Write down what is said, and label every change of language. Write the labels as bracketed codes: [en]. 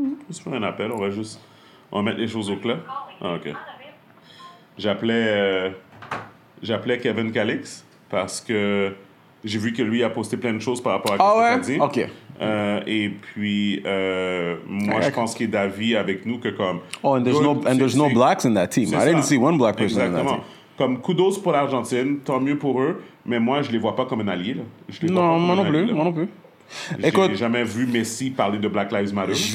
[fr] Je vais faire un appel, on va juste... On va mettre les choses au clair. Ah, OK. J'appelais Kevin Calix parce que j'ai vu que lui a posté plein de choses par rapport à ce que tu as dit. OK. Et puis, moi, je pense qu'il est d'avis avec nous que comme... [en] Oh, and there's no blacks in that team. I didn't see one black person in that team. [fr] Comme kudos pour l'Argentine, tant mieux pour eux, mais moi, je ne les vois pas comme un allié. Non, moi non plus, moi non plus. Écoute, j'ai jamais vu Messi parler de Black Lives Matter.